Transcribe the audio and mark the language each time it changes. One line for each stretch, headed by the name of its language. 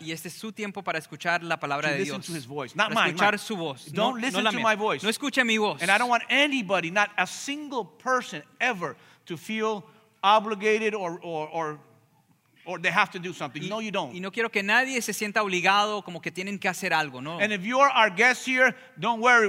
Spanish: Y este es su tiempo para escuchar la palabra de Dios.
English: To listen to his voice, not mine.
Spanish: Escuchar su voz.
English: Don't listen to my voice.
Spanish: No escuche mi voz.
English: And I don't want anybody, not a single person ever, to feel obligated or they have to do something. No, you don't.
Spanish: Y no quiero que nadie se sienta obligado como que tienen que hacer algo, ¿no?
English: And if you are our guest here, don't worry.